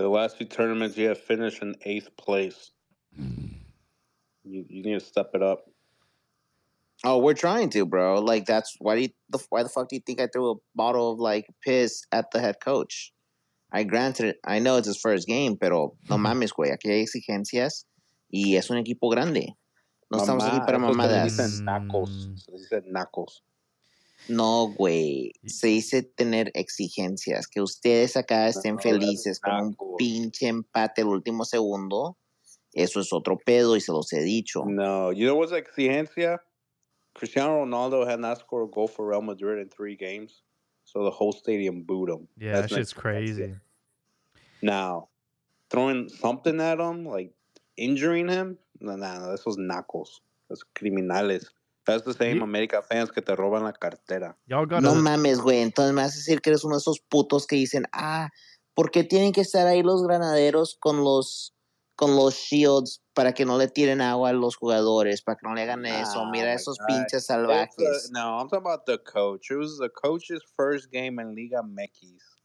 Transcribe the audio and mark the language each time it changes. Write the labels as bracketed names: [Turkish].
[English] The last few tournaments, you have finished in eighth place. You need to step it up. Oh, we're trying to, bro. Like, that's... Why the fuck do you think I threw a bottle of, like, piss at the head coach? I granted it. I know it's his first game, [Spanish] pero no mames, güey. Aquí hay exigencias y es un equipo grande. No Mamá, estamos aquí para mamadas. Se dice nacos. No, güey. Se dice tener exigencias. Que ustedes acá estén felices con un pinche empate el último segundo. Eso es otro pedo y se los he dicho. [English] No. You know what's exigencia? Cristiano Ronaldo had not scored a goal for Real Madrid in 3 games. So the whole stadium booed him. Yeah, that shit's crazy. Now, throwing something at him, like injuring him? No, this was knuckles. That's criminales. That's the same America fans [Spanish] que te roban la cartera. [English] Y'all got [Spanish] no mames, güey. Entonces me vas a decir que eres uno de esos putos que dicen, ah, ¿por qué tienen que estar ahí los granaderos con los shields para que no le tiren agua a los jugadores, para que no le hagan eso? Mira esos pinches salvajes. [English] No, I'm talking about the coach. It was the coach's first game in Liga MX.